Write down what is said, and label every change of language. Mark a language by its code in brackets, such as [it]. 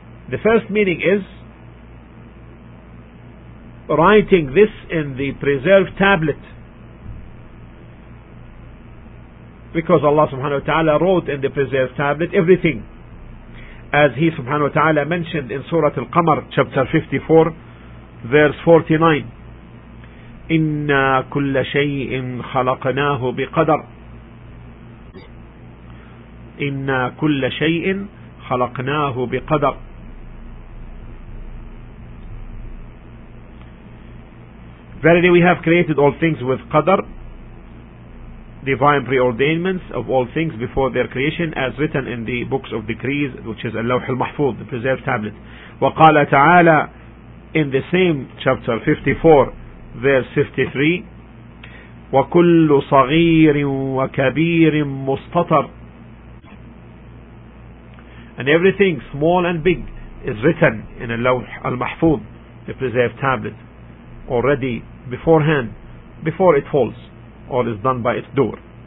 [en] The first meaning is writing this in the preserved tablet, because Allah subhanahu wa ta'ala wrote in the preserved tablet everything, as he subhanahu wa ta'ala mentioned in Surah Al-Qamar, chapter 54, verse 49, [ar] إنا كل شيء خلقناه بقدر، إنا كل شيء خلقناه بقدر. [en] Verily we have created all things with qadr, divine preordainments of all things before their creation, as written in the books of decrees, which is al-lawh al-mahfuz, the preserved tablet. [ar] وقال تعالى, [en] in the same chapter 54 verse 53, [ar] وكل صغير وكبير مستطر, [en] and everything small and big is written in al-lawh al-mahfuz, the preserved tablet, already beforehand, before it falls or is done by its door.